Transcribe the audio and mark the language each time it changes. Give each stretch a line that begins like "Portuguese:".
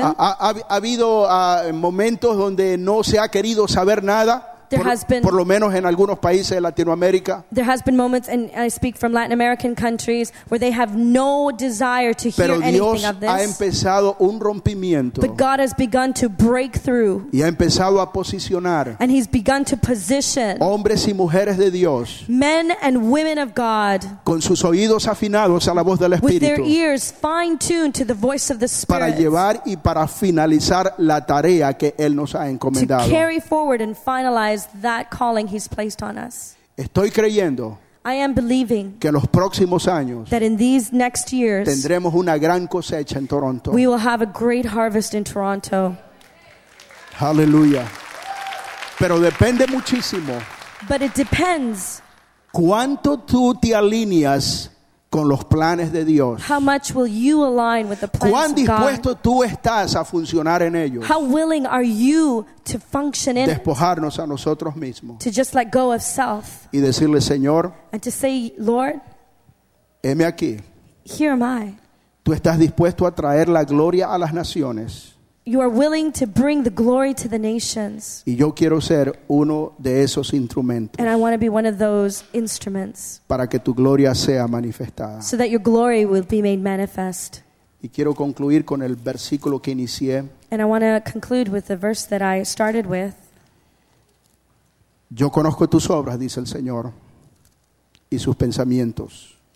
Spanish: Ha habido momentos donde no se ha querido saber nada.
English: There has been,
Spanish: por lo menos en algunos países de Latinoamérica.
English: There has been moments, and I speak from Latin American countries, where they have no desire to hear
Spanish: pero Dios
English: anything of this.
Spanish: Ha empezado un rompimiento.
English: But God has begun to break through.
Spanish: Y ha empezado a posicionar.
English: And he's begun to position.
Spanish: Hombres y mujeres de Dios.
English: Men and women of God.
Spanish: Con sus oídos afinados a la voz del Espíritu.
English: With their ears fine-tuned to the voice of the Spirit.
Spanish: Para llevar y para finalizar la tarea que Él nos ha encomendado.
English: To carry forward and finalize that calling he's placed on us.
Spanish: Estoy creyendo,
English: I am believing,
Spanish: que en los próximos años,
English: that in these next years,
Spanish: tendremos una gran cosecha en Toronto.
English: We will have a great harvest in Toronto.
Spanish: Hallelujah. Pero depende muchísimo,
English: but it depends,
Spanish: cuánto tú te alineas con los planes de Dios.
English: How much will you align with the plans of God?
Spanish: ¿Cuán dispuesto tú estás a funcionar en ellos?
English: How willing are you to function in it?
Spanish: Despojarnos a nosotros mismos.
English: To just let go of self.
Spanish: Y decirle, Señor,
English: and to say, Lord,
Spanish: heme aquí.
English: Here am I.
Spanish: Tú estás dispuesto a traer la gloria a las naciones.
English: You are willing to bring the glory to the nations.
Spanish: Y yo quiero ser uno de esos instrumentos.
English: And I want to be one of those instruments.
Spanish: Para que tu gloria sea manifestada.
English: So that your glory will be made manifest.
Spanish: Y quiero concluir con el versículo que inicié.
English: And I want to conclude with the verse that I started with.
Spanish: Yo conozco tus obras, dice el Señor, y sus pensamientos.